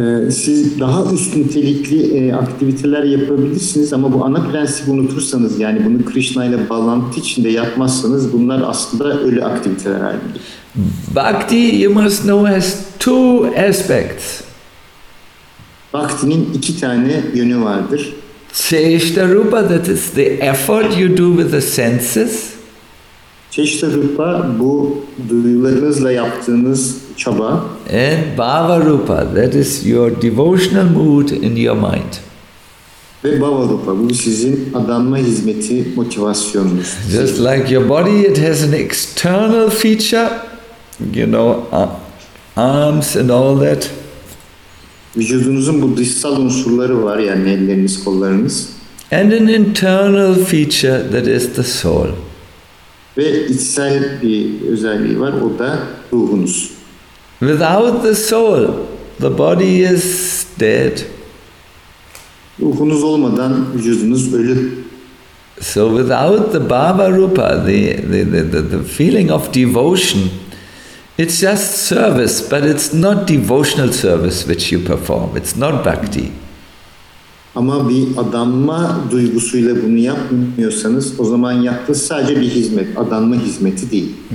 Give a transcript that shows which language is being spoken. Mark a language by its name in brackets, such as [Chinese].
[Turkish] Siz daha üst nitelikli aktiviteler yapabilirsiniz ama bu ana prensibi unutursanız, yani bunu Krishna ile bağlantı içinde yapmazsanız, bunlar aslında ölü aktiviteler halindedir. [English] Bhakti, you must know, has two aspects. [Turkish] Bhakti'nin iki tane yönü vardır. [English] Çeşte rupa, that is the effort you do with the senses. [Turkish] Çeşte rupa, bu duyularınızla yaptığınız çaba. [English] And bhava rupa, that is your devotional mood in your mind. [Turkish] Ve bhava rupa, bu sizin adanma hizmeti motivasyonunuz. [English] Just like your body, it has an external feature, you know, arms and all that. [Turkish] Vücudunuzun bu dışsal unsurları var, yani elleriniz, kollarınız. [English] And an internal feature, that is the soul. [Turkish] Ve içsel bir özelliği var, o da ruhunuz. [English] Without the soul, the body is dead. [Turkish] Ruhunuz olmadan vücudunuz ölü. [English] So without the Baba Rupa, the feeling of devotion, it's just service, but it's not devotional service which you perform. It's not bhakti. [Turkish] Ama bir adanma duygusuyla bunu yapmıyorsanız, o zaman yaptığınız sadece bir hizmet, adanma hizmeti değil.